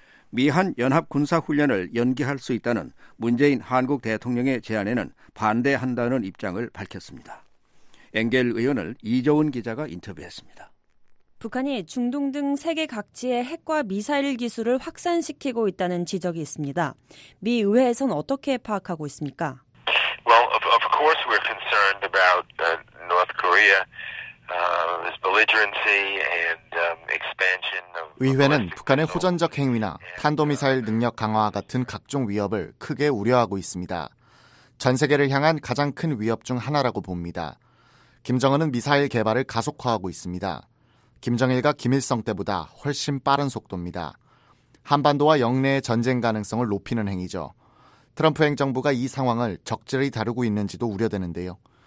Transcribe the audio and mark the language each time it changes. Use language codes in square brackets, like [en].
[ko] 미한 연합군사훈련을 연기할 수 있다는 문재인 한국 대통령의 제안에는 반대한다는 입장을 밝혔습니다. 앵겔 의원을 이조은 기자가 인터뷰했습니다. 북한이 중동 등 세계 각지에 핵과 미사일 기술을 확산시키고 있다는 지적이 있습니다. 미 의회에선 어떻게 파악하고 있습니까? [en] Well, of course we're concerned about North Korea's belligerency and expansion of [ko] 의회는 북한의 호전적 행위나 탄도미사일 능력 강화와 같은 각종 위협을 크게 우려하고 있습니다. 전 세계를 향한 가장 큰 위협 중 하나라고 봅니다. 김정은은 미사일 개발을 가속화하고 있습니다. 김정일과 김일성 때보다 훨씬 빠른 속도입니다. 한반도와 영내의 전쟁 가능성을 높이는 행위죠. 트럼프 행정부가 이 상황을 적절히 다루고 있는지도 우려되는데요.